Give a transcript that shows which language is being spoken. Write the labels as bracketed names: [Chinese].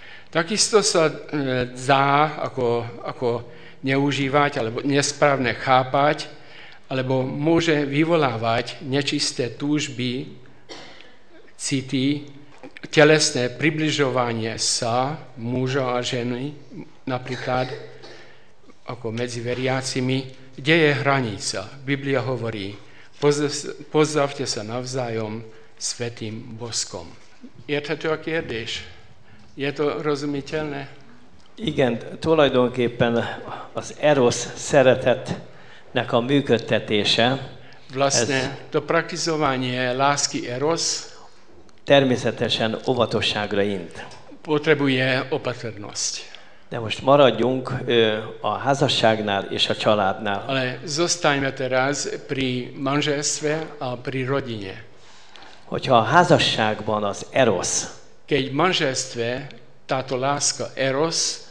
[Slovak] Takisto sa dá ako neužívať, alebo nesprávne chápať, alebo môže vyvolávať nečisté túžby, city, telesné približovanie sa muža a ženy, napríklad ako medzi veriacimi, kde je hranica. Biblia hovorí, pozdravte sa navzájom svätým boskom. Je to čo kérdeš? Je to rozumiteľné? [Hungarian] Igen, tulajdonképpen az erosz szeretetnek a működtetése. [Slovak] Vlastne, to praktizovanie lásky eros [Hungarian] természetesen óvatosságra int. [Slovak] Potrebuje opatrnosť. [Hungarian] De most maradjunk a házasságnál és a családnál. [Slovak] Ale zostaňme teraz pri manželstve a pri rodine. [Hungarian] Hogyha a házasságban az erosz, [Slovak] keď manželstve táto láska eros,